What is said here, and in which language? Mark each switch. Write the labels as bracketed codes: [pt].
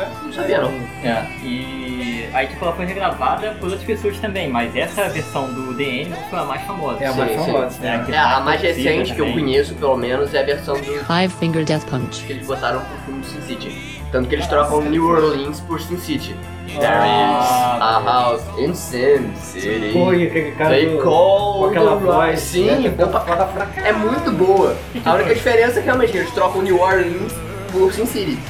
[pt] Não sabia. E aí tipo, ela foi regravada por outras pessoas também, mas essa versão do The Animals foi a mais famosa. É a mais famosa. É, é a mais recente também. Que eu conheço, pelo menos, é a versão do Five Finger Death Punch. Que eles botaram pro filme do Sin City. Tanto que eles trocam New Orleans por Sin City. [en] There is a house in Sin City. [pt] Foi aquele cara. [en] They call [pt] com aquela voz. Sim, né? É muito boa. A única diferença é que realmente eles trocam New Orleans por Sin City.